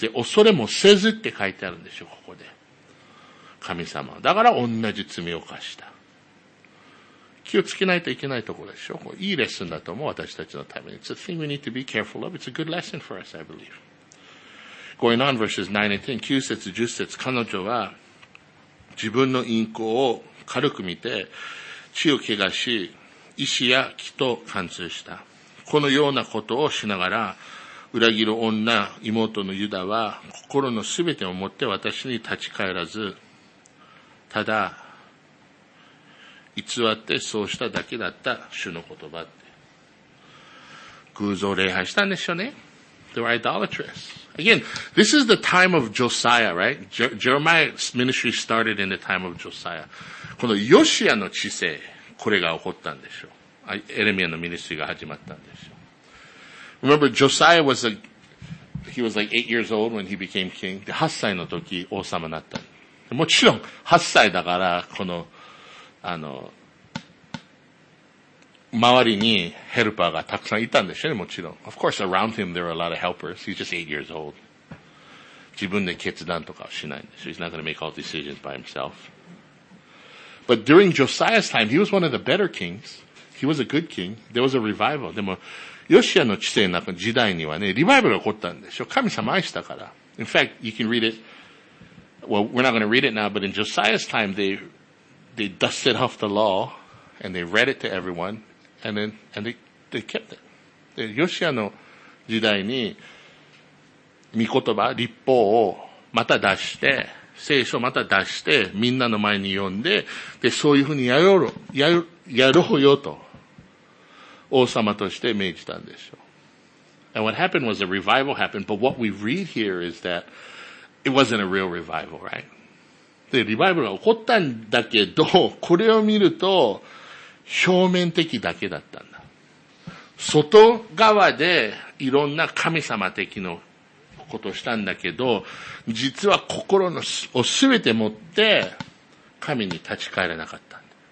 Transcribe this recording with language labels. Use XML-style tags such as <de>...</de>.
<ja>で、恐れもせずって書いてあるんでしょ、ここで。神様。だから同じ罪を犯した。気をつけないといけないところでしょ。これいいレッスンだと思う、私たちのために。</ja> <en>It's a thing we need to be careful of. It's a good lesson for us, I believe. Going on, verses 9 and 10,</en> <ja>9節、10節、彼女は自分の陰行を軽く見て、血を怪我し、意志や気と貫通した。このようなことをしながら、裏切る女、妹のユダは、心のすべてを持って私に立ち返らず、ただ、偽ってそうしただけだった主の言葉って。偶像礼拝したんでしょうね。</ja> <en>They were idolatrous. Again, this is the time of Josiah, right? Jeremiah's ministry started in the time of Josiah.</en> <ja>このヨシアの治世、これが起こったんでしょう。エレミアの ministry が始まったんでしょう。</ja> <en>Remember, Josiah was he was like 8 years old when he became king.</en> <ja>で、8歳の時王様になった。もちろん、8歳だから、この、周りにヘルパーがたくさんいたんでしょうね、もちろん。</ja> <en>Of course, around him there are a lot of helpers. He's just 8 years old.</en> <ja>自分で決断とかしないんでしょ。</ja> <en>He's not going to make all decisions by himself. But during Josiah's time, he was one of the better kings. He was a good king. There was a revival.</en> <ja>でも、ヨシアの治世の時代にはね、リバイバル起こったんでしょ。神様愛したから。</ja> <en>In fact, you can read it. Well, we're not going to read it now, but in Josiah's time, they dusted off the law and they read it to everyone and then and they kept it.</en> <ja>で、ヨシアの時代に御言葉、立法をまた出して、聖書をまた出して、みんなの前に読んで、で、そういうふうにやろうよと王様として命じたんでしょう。</ja> <en>And what happened was a revival happened, but what we read here is that it wasn't a real revival, right?</en> <ja>で、リバイバルが起こったんだけど、これを見ると、表面的だけだったんだ。外側で、いろんな神様的のことをしたんだけど、実は心のをすべて持って、神に立ち返れなかったんだ。</ja>